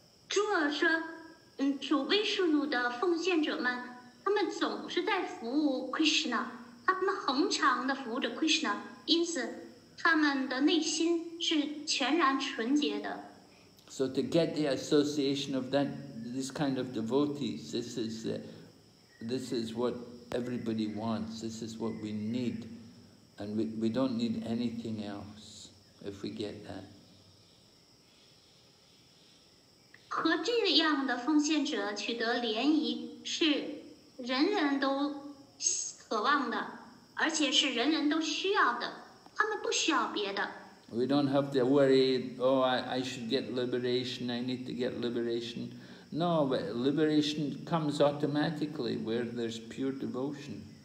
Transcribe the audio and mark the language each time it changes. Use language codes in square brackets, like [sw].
[zh] Dhruva 说，主威士努的奉献者们，他们总是在服务 Krishna， 他们恒常的服务着 Krishna， 因此他们的内心是全然纯洁的。 [en] So to get the association of that, this kind of devotees, this is what everybody wants, this is what we need. And we don't need anything else if we get that. [zh] 和这样的奉献者取得联谊是人人都渴望的，而且是人人都需要的，他们不需要别的。 [en] We don't have to worry, oh, I should get liberation, I need to get liberation. No, but liberation comes automatically where there's pure devotion.